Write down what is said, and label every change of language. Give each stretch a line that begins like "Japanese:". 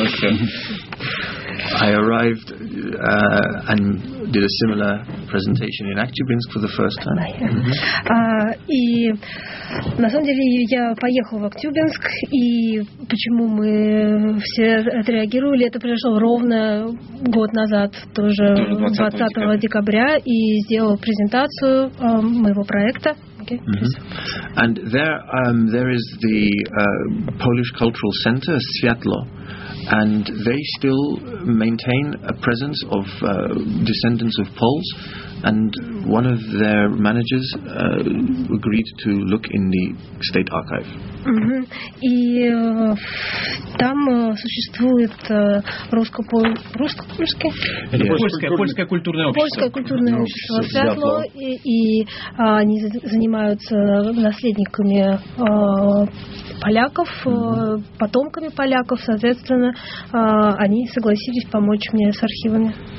English: I arrived and did a similar presentation in Актюбинск for the first time.
Russian: И на самом деле я поехал в Актюбинск, и почему мы все отреагировали, это произошло ровно год назад, тоже 20 декабря, и сделал презентацию моего проекта. Mm-hmm.
English: And there, there is the Polish Cultural Center Światło, and they still maintain a presence of descendants of Poles. And one of their managers agreed to look in the state archive.
Russian: И там существует русско-польское. Польское культурное общество. Польское культурное общество Святло, и они занимаются наследниками поляков, потомками поляков, соответственно, они согласились помочь мне с архивами.